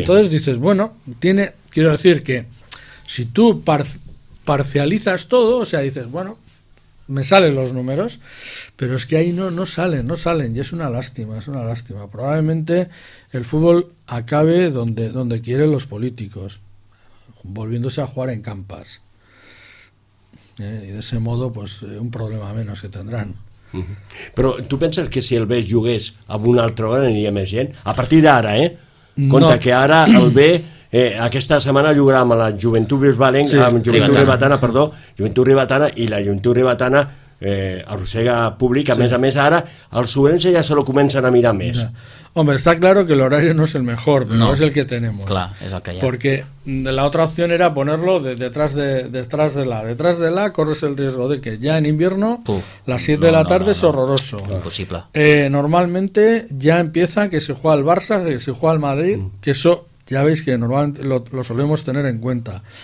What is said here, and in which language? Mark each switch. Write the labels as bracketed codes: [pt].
[es] entonces dices, bueno, tiene, quiero decir que si tú parcializas todo, o sea, dices, bueno, me salen los números, pero es que ahí no salen, y es una lástima. Probablemente el fútbol acabe donde quieren los políticos. Volviéndose a jugar en campas. Y de ese modo, pues un problema menos que tendrán. [ca] Però tu penses que si el B jugués amb un altre hora aniria més gent? A partir d'ara, compte no. Que ara el B aquesta setmana jugarà amb la Joventut Bisbalenc, sí. Amb Joventut Ribatana, perdó, Joventut Ribatana, i la Joventut Ribatana arrossega públic, sí. A més ara els suberens ja se lo comencen a mirar més. Mira. [es] Hombre, está claro que el horario no es el mejor, pero no es el que tenemos. Claro, es el que ya. Porque la otra opción era ponerlo detrás de la, corres el riesgo de que ya en invierno, las 7 de la tarde es horroroso. Imposible. Normalmente ya empieza que se juega el Barça, que se juega el Madrid, que eso ya veis que normalmente lo solemos tener en cuenta.